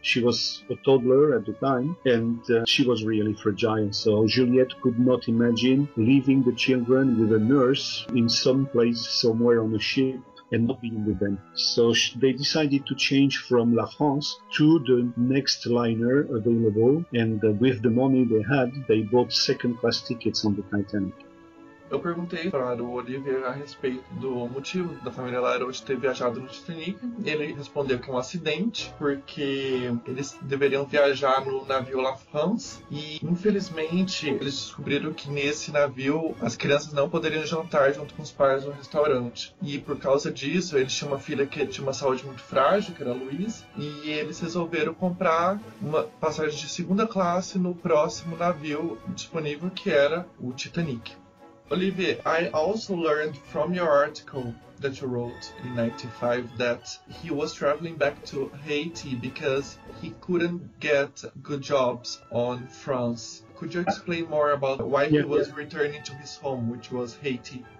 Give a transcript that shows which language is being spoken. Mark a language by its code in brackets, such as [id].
[en] She was a toddler at the time, and she was really fragile, so Juliet could not imagine leaving the children with a nurse in some place somewhere on a ship and not being with them. So they decided to change from La France to the next liner available, and with the money they had, they bought second-class tickets on the Titanic. [pt] Eu perguntei para o Olivier a respeito do motivo da família Lyrault ter viajado no Titanic. Ele respondeu que é um acidente, porque eles deveriam viajar no navio La France. E, infelizmente, eles descobriram que nesse navio as crianças não poderiam jantar junto com os pais no restaurante. E, por causa disso, eles tinham uma filha que tinha uma saúde muito frágil, que era a Louise. E eles resolveram comprar uma passagem de segunda classe no próximo navio disponível, que era o Titanic. [en] Olivier, I also learned from your article that you wrote in 95 that he was traveling back to Haiti because he couldn't get good jobs on France. Could you explain more about why he was returning to his home, which was Haiti?